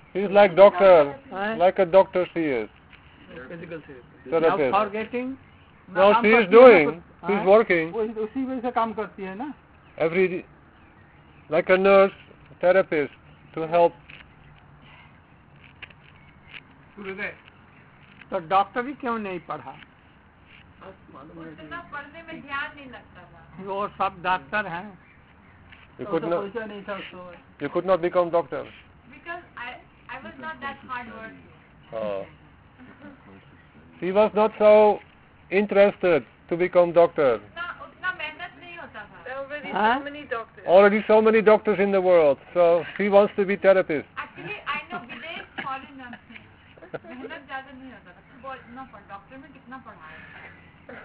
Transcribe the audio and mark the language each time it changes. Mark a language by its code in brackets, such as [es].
[en] He's like doctor, like a doctor she is. Physical therapist. Now forgetting. Now she is doing. She's working. [hi] उसी वजह से काम करती है ना. [en] Every like a nurse, therapist to help. [hi] तो doctor भी क्यों नहीं पढ़ा? उतना पढ़ने में ध्यान नहीं लगता था. वो सब डॉक्टर हैं. [en] You could not. You could not become doctor. Because I was not that hard working. She was not so interested to become doctor. [hi] उतना मेहनत नहीं होता था. [en] There are already so many doctors. Already so many doctors in the world. So she wants to be therapist. Actually, I know Vidya is foreigner. [hi] मेहनत ज़्यादा नहीं होता. इतना पढ़ा. डॉक्टर में कितना पढ़ाया?